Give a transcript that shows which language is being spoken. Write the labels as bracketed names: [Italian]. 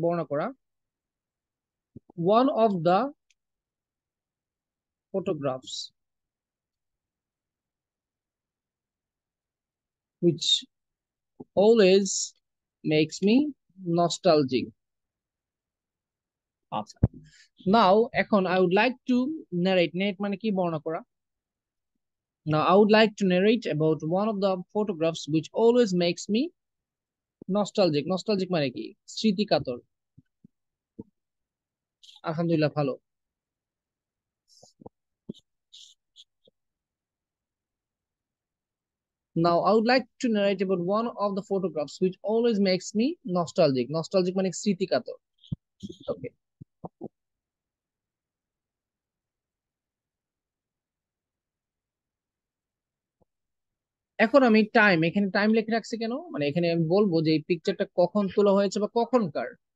[Bangla] বর্ণনা করা [English] One of the photographs which always makes me nostalgic. আচ্ছা, now এখন I would like to narrate, [Bangla] নারেট মানে কি? বর্ণনা করা। [English] Now, I would like to narrate about one of the photographs which always makes me nostalgic. [Bangla] Nostalgic মানে কি? স্মৃতি কাতর। আলহামদুলিল্লাহ, ভালো। [English] Now, I would like to narrate about one of the photographs which always makes me nostalgic. [Bangla] Nostalgic মানে স্মৃতি কাতর। Okay. এখন আমি টাইম, এখানে টাইম লিখে রাখছি কেন? মানে এখানে আমি বলবো যে এই পিকচারটা কখন তোলা হয়েছে বা কখনকার।